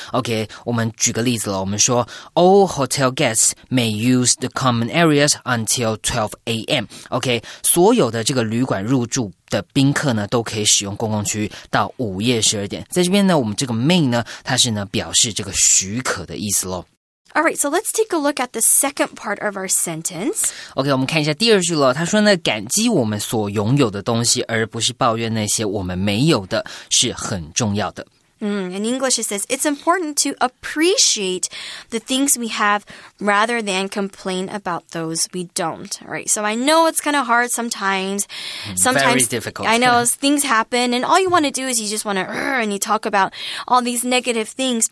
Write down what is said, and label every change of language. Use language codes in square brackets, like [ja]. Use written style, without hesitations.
[en] OK， [zh] 我们举个例子了，我们说 [en] ，all hotel guests may use the common areas until 12 a.m. [zh] OK， 所有的这个旅馆入住的宾客呢都可以使用公共区域到午夜12点。在这边呢，我们这个 may 呢，它是呢表示这个许可的意思咯。 [en] All right, so let's take a look at the second part of our sentence. [zh] Okay, 我们看一下第二句了。他说呢，感激我们所拥有的东西，而不是抱怨那些我们没有的，是很重要的。 [en] In English, it says, it's important to appreciate the things we have rather than complain about those we don't. Right. So I know it's kind of hard sometimes. Sometimes, very difficult. I know things happen and all you want to do is you just want to, and you talk about all these negative things.